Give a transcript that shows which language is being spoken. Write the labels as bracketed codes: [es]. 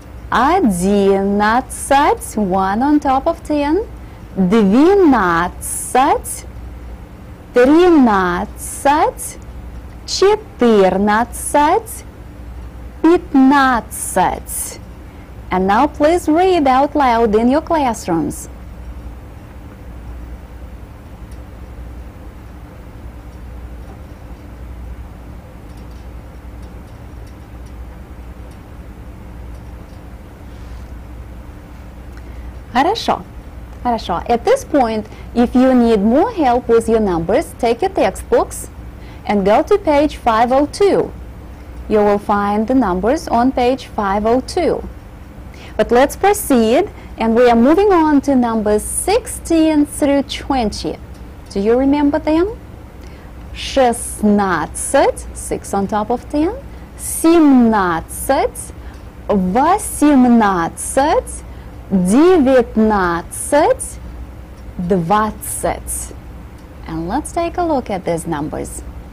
[ru] Одиннадцать, [en] one on top of ten, [ru] двенадцать, тринадцать, четырнадцать, пятнадцать. [en] And now please read out loud in your classrooms. [ru] Хорошо, хорошо. [en] At this point, if you need more help with your numbers, take your textbooks and go to page 502. You will find the numbers on page 502. But let's proceed, and we are moving on to numbers 16 through 20. Do you remember them? Шестнадцать, six on top of ten. [ru] Семнадцать, восемнадцать. Девятнадцать, двадцать. [en] And let's take a look at these numbers.